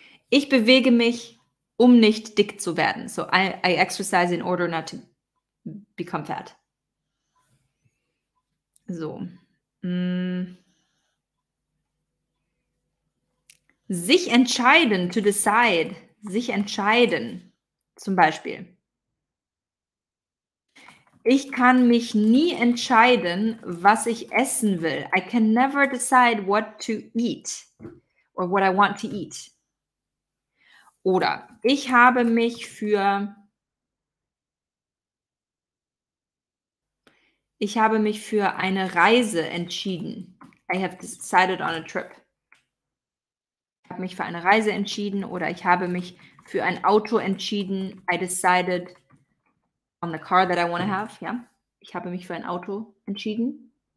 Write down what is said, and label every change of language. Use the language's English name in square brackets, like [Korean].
[German] Ich bewege mich, um nicht dick zu werden. [English] So I exercise in order not to become fat. So. [German] Sich entscheiden, [English] to decide. [German] Sich entscheiden. Zum Beispiel. Ich kann mich nie entscheiden, was ich essen will. [English] I can never decide what to eat or what I want to eat. [German] Oder ich habe mich für eine Reise entschieden. [English] I have decided on a trip. [German] Ich habe mich für eine Reise entschieden oder ich habe mich für ein Auto entschieden. [English] I decided on the car that I want to have. [German] Ja, ich habe mich für ein Auto entschieden.